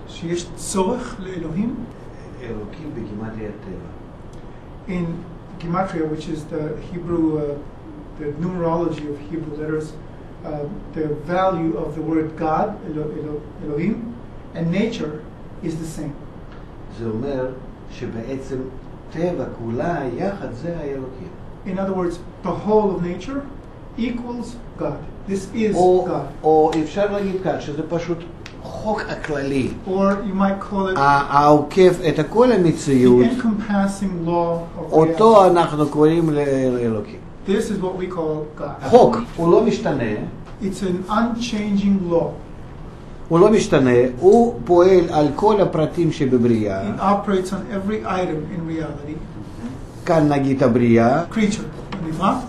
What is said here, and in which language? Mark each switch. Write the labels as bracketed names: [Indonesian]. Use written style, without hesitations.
[Hebrew] שיש צורך לאלוהים? אלוהים בגימטריה טבע. [English] In gematria, which is the Hebrew, the numerology of Hebrew letters, the value of the word God, Elohim, and nature is the same. [Hebrew] זה אומר שבעצם טבע כולה יחד זה האלוהים. [English] In other words, the whole of nature equals God. This is God. Or if [Hebrew] אפשר להגיד כאן שזה פשוט חוק הכללי. [English] Or you might call it [Hebrew] העוקף את כל המציאות. [English] The encompassing law of reality. [Hebrew] אותו אנחנו קוראים לאלוקים. [English] This is what we call God. [Hebrew] חוק, הוא לא משתנה. [English] It's an unchanging law. [Hebrew] הוא לא משתנה, הוא פועל על כל הפרטים שבבריאה. [English] It operates on every item in reality. [Hebrew] כאן נגיד הבריאה. [English] Creature, נברא.